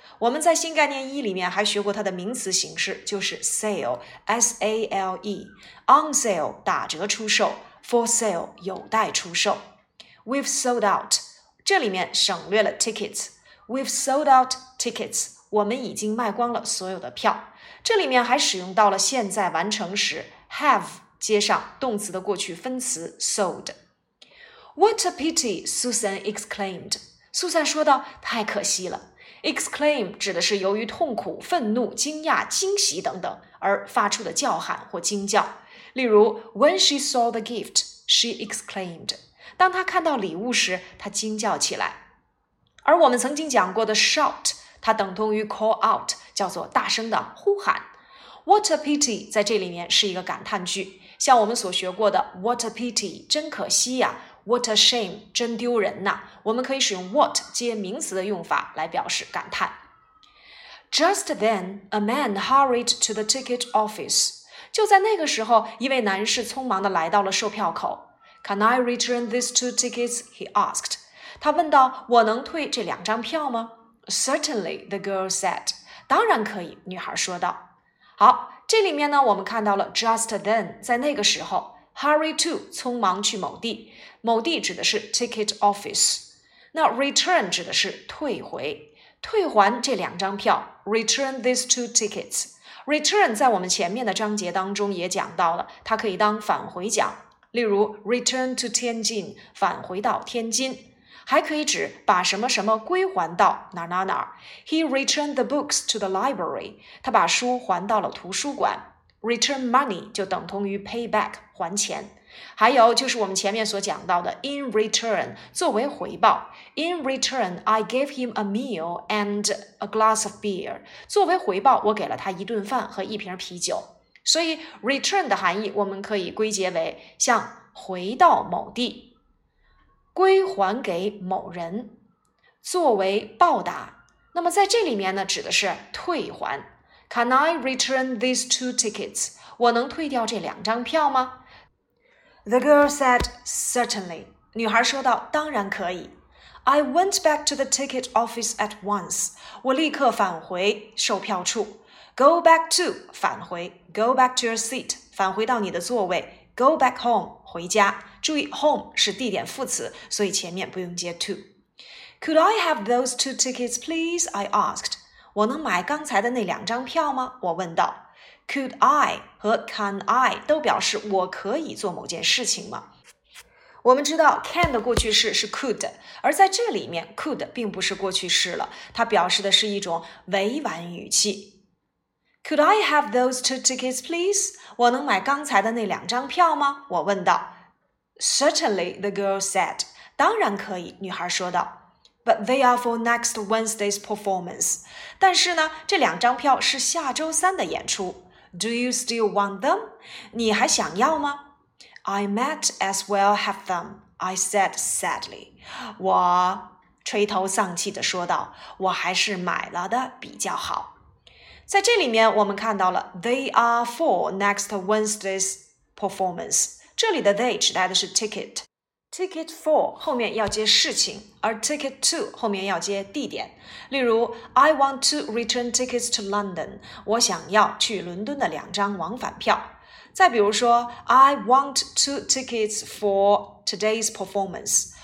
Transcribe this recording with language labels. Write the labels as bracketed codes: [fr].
[zh] 我们在新概念一里面还学过它的名词形式，就是 sale, S-A-L-E, on sale, 打折出售， for sale, 有待出售。 [en] We've sold out, [zh] 这里面省略了 tickets, [en] we've sold out tickets, [zh] 我们已经卖光了所有的票。这里面还使用到了现在完成时 have 接上动词的过去分词 sold。 [en] What a pity, Susan exclaimed. [zh] 苏珊说道，太可惜了。 Exclaim 指的是由于痛苦、愤怒、惊讶、惊喜等等而发出的叫喊或惊叫。 [en] 例如 ,When she saw the gift, she exclaimed. [zh] 当她看到礼物时，她惊叫起来。而我们曾经讲过的 shout, 它等同于 call out, 叫做大声的呼喊。 [en] What a pity [zh] 在这里面是一个感叹句。像我们所学过的 What a pity, 真可惜呀。 [en] What a shame, [zh] 真丢人呐。我们可以使用 what 接名词的用法来表示感叹。 [en] Just then, a man hurried to the ticket office. [zh] 就在那个时候，一位男士匆忙地来到了售票口。 [en] Can I return these two tickets? He asked. [zh] 他问道，我能退这两张票吗？ [en] Certainly, the girl said. [zh] 当然可以，女孩说道。好，这里面呢，我们看到了 just then, 在那个时候。 Hurry to, 匆忙去某地。某地指的是 ticket office。那 return 指的是退回。退还这两张票， [en] return these two tickets。 [zh] Return 在我们前面的章节当中也讲到了，它可以当返回讲。例如 return to 天津，返回到天津。还可以指把什么什么归还到哪哪哪。 [en] He returned the books to the library. [zh] 他把书还到了图书馆。 Return money 就等同于 payback 还钱，还有就是我们前面所讲到的 [en] in return 作为回报 ，in return I gave him a meal and a glass of beer， [zh] 作为回报我给了他一顿饭和一瓶啤酒。所以 return 的含义我们可以归结为像回到某地，归还给某人，作为报答。那么在这里面呢，指的是退还。 [en] Can I return these two tickets? [zh] 我能退掉这两张票吗？ [en] The girl said, certainly. [zh] 女孩说道，当然可以。 [en] I went back to the ticket office at once. [zh] 我立刻返回售票处。 [en] Go back to, 返回。 Go back to your seat, [zh] 返回到你的座位。 [en] Go back home, 回家。 [zh] 注意 home 是地点副词，所以前面不用接 to。 [en] Could I have those two tickets, please? I asked. [zh] 我能买刚才的那两张票吗？我问道。Could I 和 Can I 都表示我可以做某件事情吗？我们知道 can 的过去式是 could， 而在这里面 could 并不是过去式了，它表示的是一种委婉语气。 [en] Could I have those two tickets, please? [zh] 我能买刚才的那两张票吗？我问道。 [en] Certainly, the girl said. [zh] 当然可以，女孩说道。 [en] But they are for next Wednesday's performance. [zh] 但是呢，这两张票是下周三的演出。 [en] Do you still want them? [zh] 你还想要吗？ [en] I might as well have them, I said sadly. [zh] 我垂头丧气地说道，我还是买了的比较好。在这里面我们看到了 [en] they are for next Wednesday's performance. [zh] 这里的 they 指代的是 ticket。Ticket for 后面要接事情，而 ticket to 后面要接地点。 [en] 例如 ，I want to return tickets to London. [zh] 我想要去伦敦的两张往返票。 [en] 再比如说 ，I want two tickets for today's performance.